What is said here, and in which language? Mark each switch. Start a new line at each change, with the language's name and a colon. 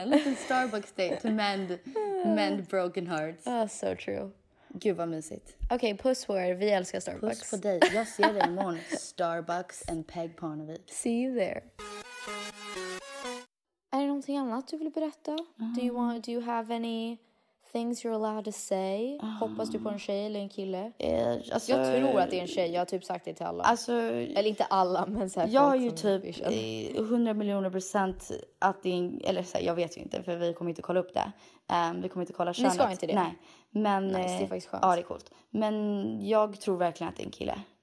Swedish: En liten
English: Starbucks date to mend broken hearts. Oh, so true.
Swedish: Gud vad mysigt. Okej, okay, puss på er, vi älskar Starbucks. Puss på dig, jag ser dig imorgon.
English: Starbucks and Peg Parnevik. See you there.
Swedish: Är det någonting annat du vill berätta?
English: Do you have any things you're allowed to say?
Swedish: Hoppas du på en tjej eller en kille? Alltså, jag tror att det är en tjej. Jag har typ sagt det till alla. Alltså, eller inte alla, men så här. Jag har ju typ 100 miljoner % att det är en, eller så här, jag vet ju inte, för vi kommer inte kolla upp det. Vi kommer inte kolla könet. Ni ska inte det. Nej. Men, nice, det är faktiskt skönt. Ja, det är coolt. Men jag tror verkligen att det är en kille.